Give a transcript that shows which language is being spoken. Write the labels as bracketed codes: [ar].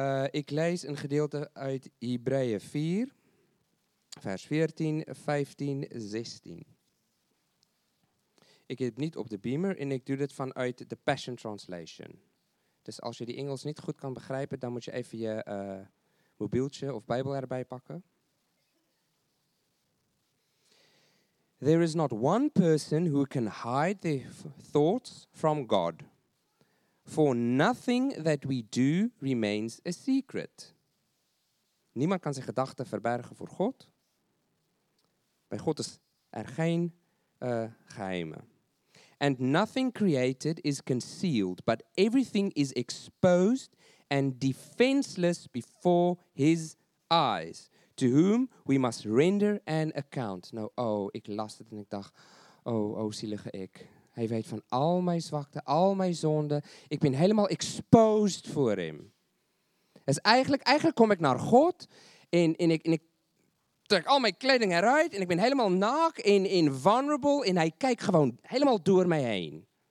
[nl] Ik lees een gedeelte uit Hebreeën 4, vers 14, 15, 16. Ik heb niet op de beamer en ik doe dit vanuit de Passion Translation. Dus als je die Engels niet goed kan begrijpen, dan moet je even je mobieltje of Bijbel erbij pakken. [en] There is not one person who can hide their thoughts from God. For nothing that we do remains a secret. [nl] Niemand kan zijn gedachten verbergen voor God. Bij God is er geen geheimen. [en] And nothing created is concealed, but everything is exposed and defenseless before his eyes, to whom we must render an account. [nl] Nou, oh, ik las het en ik dacht, oh, zielige ik. Hij weet van al mijn zwakte, al mijn zonden. Ik ben helemaal exposed voor hem. Dus eigenlijk kom ik naar God en ik trek al mijn kleding eruit en ik ben helemaal naak en invulnerable en hij kijkt gewoon helemaal door mij heen.